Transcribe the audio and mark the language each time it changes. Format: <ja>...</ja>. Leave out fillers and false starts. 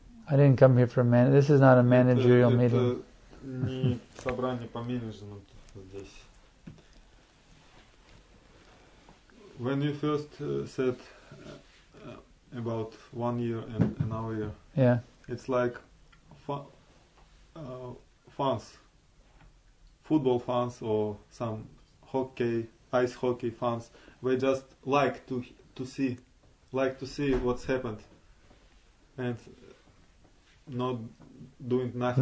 <en>I didn't come here for this is not a managerial meeting.</en> <ru>Не собрание по менеджменту здесь.</ru> <en>When you first said about 1 year and another year, yeah, it's like fans, football fans or some hockey, ice hockey fans, we just like to see what's happened and not doing nothing.</en>